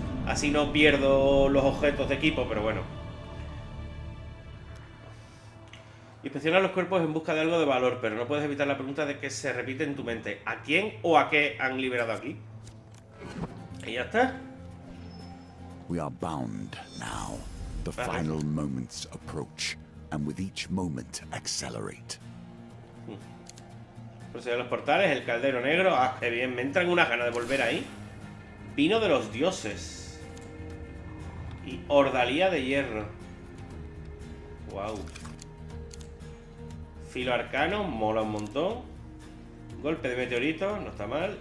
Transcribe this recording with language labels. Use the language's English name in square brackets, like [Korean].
[Spanish] Así no pierdo los objetos de equipo, pero bueno. Inspecciona los cuerpos en busca de algo de valor, pero no puedes evitar la pregunta de que se repite en tu mente. ¿A quién o a qué han liberado aquí? Y ya está. [English] We are bound now. The final moments approach, and with each moment accelerate. [Spanish] Procedo a los portales, el caldero negro. Ah, qué bien, me entran unas ganas de volver ahí. Vino de los dioses. Y ordalía de hierro. Wow. Filo arcano, mola un montón. Golpe de meteorito, no está mal.